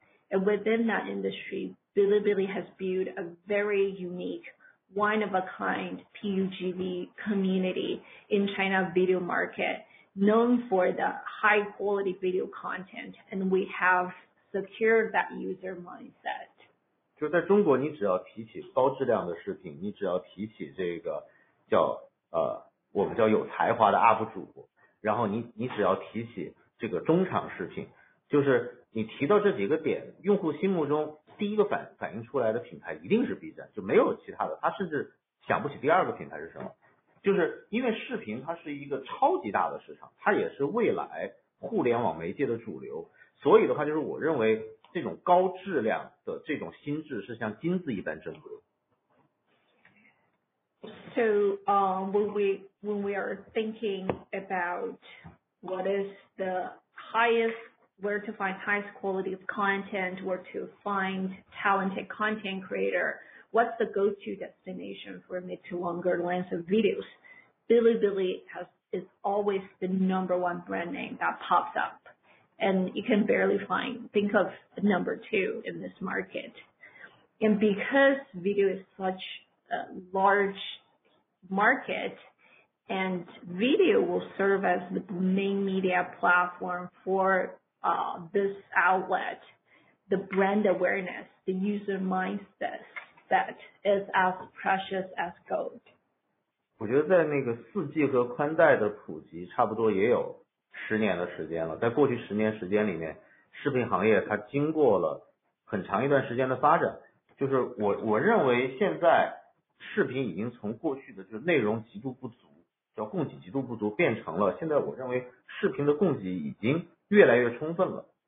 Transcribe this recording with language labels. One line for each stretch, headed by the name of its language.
English: And within that industry, Bilibili has built a very uniqueone-of-a-kind PUGV community in China video market, known for the high-quality video content, and we have secured that user mindset.
Chinese: 就在中国，你只要提起高质量的视频，你只要提起这个叫我们叫有才华的 UP 主，然后你只要提起这个中长视频，就是你提到这几个点，用户心目中第一个反映出来的品牌一定是 B 站，就没有其他的，他甚至想不起第二个品牌是什么。就是因为视频它是一个超级大的市场，它也是未来互联网媒介的主流，所以的话就是我认为这种高质量的这种心智是像金子一般珍贵。
English: So when we are thinking about what is the highestwhere to find highest quality of content, where to find talented content creator, what's the go-to destination for mid to longer length of videos? Bilibili is always the number one brand name that pops up, and you can barely think of number two in this market. And because video is such a large market,and video will serve as the main media platform for this outlet, the brand awareness, the user mindset that is as precious as gold.
Chinese: 我觉得在那个 4G 和宽带的普及差不多也有十年的时间了，在过去十年时间里面，视频行业它经过了很长一段时间的发展，就是我认为现在视频已经从过去的就是内容极度不足，叫供给极度不足，变成了现在我认为视频的供给已经越来越充分了，